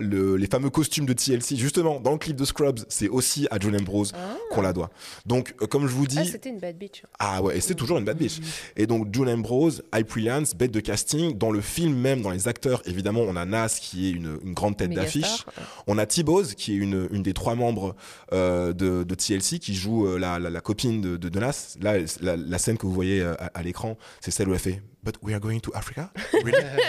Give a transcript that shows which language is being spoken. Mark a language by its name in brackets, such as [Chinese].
[French] Les fameux costumes de TLC, justement, dans le clip de Scrubs, c'est aussi à Julian Bros qu'on la doit. Donc, comme je vous dis. Ah, c'était une [English] bad bitch. [French] Ah ouais, et c'est toujours une [English] bad bitch. [French] Et donc, June Ambrose, Hyperliance, bête de casting. Dans le film même, dans les acteurs, évidemment, on a Nas qui est une grande tête d'affiche. On a T-Boz qui est une des trois membres de TLC qui joue la copine de Nas. Là, la scène que vous voyez à l'écran, c'est celle où elle fait « [English] But we are going to Africa? Really?